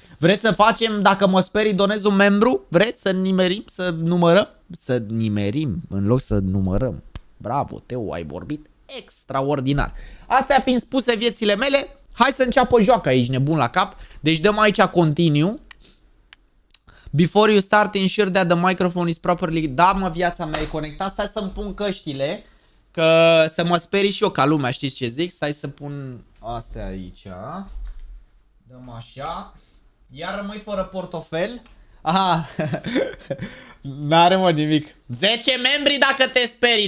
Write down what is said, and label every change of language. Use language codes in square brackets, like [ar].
[ro] Vreți să facem, dacă mă sperii, donez un membru? Vreți să nimerim, să numărăm? Să nimerim în loc să numărăm. Bravo, Teo, ai vorbit extraordinar. Astea fiind spuse, viețile mele, hai să înceapă joaca aici, nebun la cap. Deci dăm aici continue. [en] Before you start, ensure that the microphone is properly... [ro] Da, mă, viața mea, e conectat. Stai să-mi pun căștile, că să mă sperii și eu ca lumea, știți ce zic? Stai să pun astea aici. Dăm așa. Iar rămâi fără portofel. Aha. N-are, mă, nimic. 10 membri dacă te sperii.